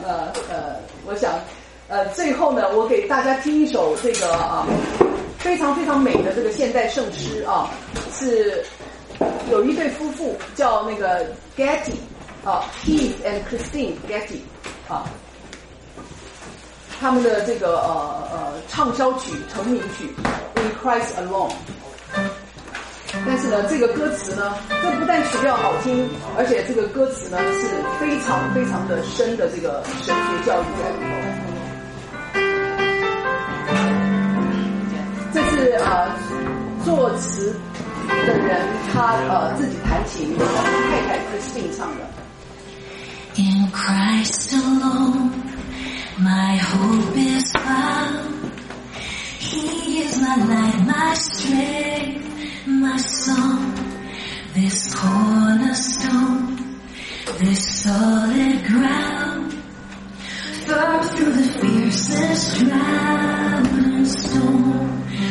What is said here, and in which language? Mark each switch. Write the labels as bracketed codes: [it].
[zh] 那我想最后呢我给大家听一首这个非常非常美的这个现代圣诗啊，是有一对夫妇叫那个 Getty Keith and Christine Getty 啊，他们的这个畅销曲成名曲 In Christ Alone。但是呢，这个歌词呢，这不但曲调好听，而且这个歌词呢是非常非常的深的这个神学教育在里头。这是作词的人他自己弹琴的太太 Christine 唱的。 [en] In Christ alone, my hope is found. He is my light, my strength. My song, this cornerstone, this solid ground, firm through the fiercest driving storm.